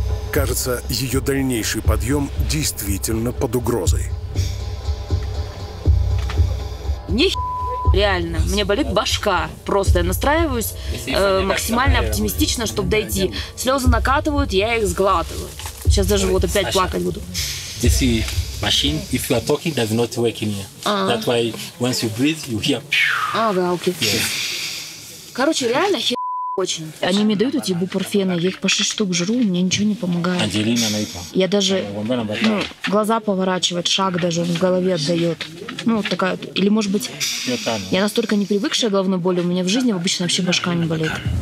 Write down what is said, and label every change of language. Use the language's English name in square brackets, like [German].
[Russian] Кажется, ее дальнейший подъем действительно под угрозой. Реально, мне болит башка. Просто я настраиваюсь максимально оптимистично, чтобы дойти. Слезы накатывают, я их сглатываю. Сейчас даже вот опять плакать буду. [English] Machine, if you are talking, does not work in here. Uh-huh. That's why once you breathe, you hear. [Russian] Короче, реально хер очень. Они мне дают эти бупрофены, я их по 6 штук жру, мне ничего не помогает. Анджелина Найпа. Я даже, ну, глаза поворачивать, шаг даже в голове отдает. Ну, вот такая, или может быть, я настолько не привыкшая к головной боли, у меня в жизни обычно вообще башка не болит.